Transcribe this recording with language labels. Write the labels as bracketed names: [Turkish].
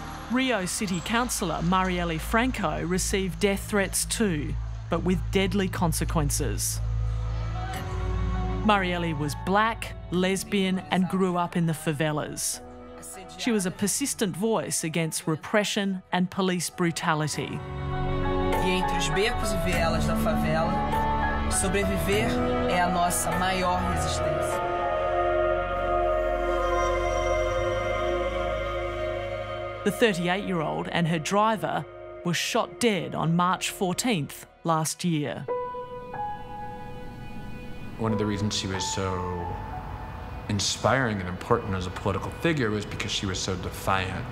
[English] Rio City Councillor Marielle Franco received death threats too, but with deadly consequences. Marielle was black, lesbian, and grew up in the favelas. She was a persistent voice against repression and police brutality. [Portuguese] E entre os becos e vielas da favela, sobreviver é a nossa maior resistência. [English] The 38-year-old and her driver were shot dead on March 14th last year. One of the reasons she was so inspiring and important as a political figure was because she was so defiant.